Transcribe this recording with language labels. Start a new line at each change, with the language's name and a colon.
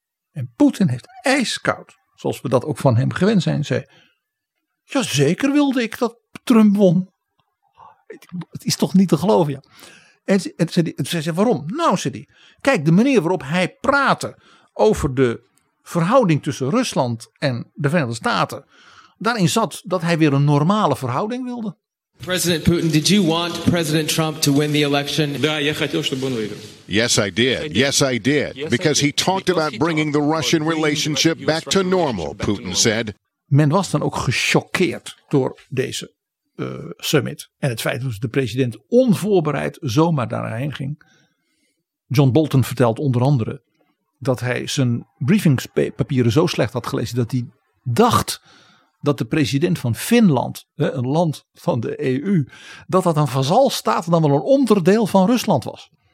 Dutch: En Poetin heeft ijskoud, zoals we dat ook van hem gewend zijn, zei, ja zeker wilde ik dat Trump won. Het is toch niet te geloven, ja. En zei, waarom? Nou, zei hij, kijk, de manier waarop hij praatte over de verhouding tussen Rusland en de Verenigde Staten, daarin zat dat hij weer een normale verhouding wilde.
English: President Putin, did you want President Trump to win the election? Yes, I did. Yes, I did. Because he talked about bringing the Russian relationship back to normal, Putin said.
Dutch: Men was dan ook gechoqueerd door deze summit. En het feit dat de president onvoorbereid zomaar daarheen ging. John Bolton vertelt onder andere dat hij zijn briefingspapieren zo slecht had gelezen dat hij dacht dat de president van Finland, een land van de EU, dat een vazalstaat dan wel een onderdeel van Rusland was.